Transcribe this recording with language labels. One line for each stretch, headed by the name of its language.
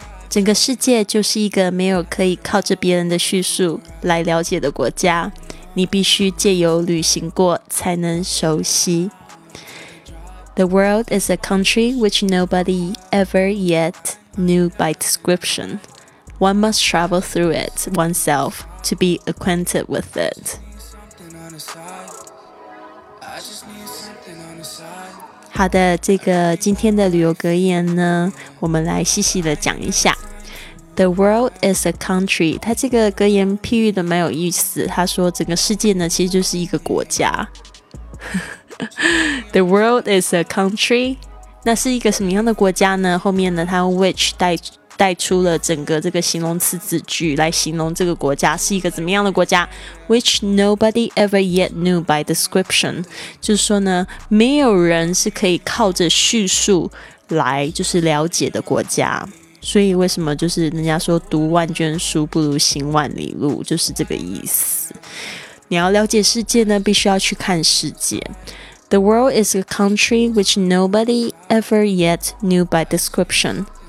Chinese: 整个世界就是一个没有可以靠着别人的叙述来了解的国家，你必须借由旅行过才能熟悉。
English: The world is a country which nobody ever yet knew by description. One must travel through it oneself to be acquainted with it.
Chinese: 好的，这个今天的旅游格言呢，我们来细细的讲一下。
English: The world is a country.
Chinese: 它这个格言譬喻的蛮有意思，它说整个世界呢其实就是一个国家。
English: The world is a country.
Chinese: 那是一个什么样的国家呢？后面呢，它 which 带出了整个这个形容词子句来形容这个国家是一个怎么样的国家
English: which nobody ever yet knew by description，
Chinese: 就是说呢，没有人是可以靠着叙述来就是了解的国家。所以为什么就是人家说读万卷书不如行万里路，就是这个意思。你要了解世界呢，必须要去看世界。
English: The world is a country which nobody ever yet knew by description。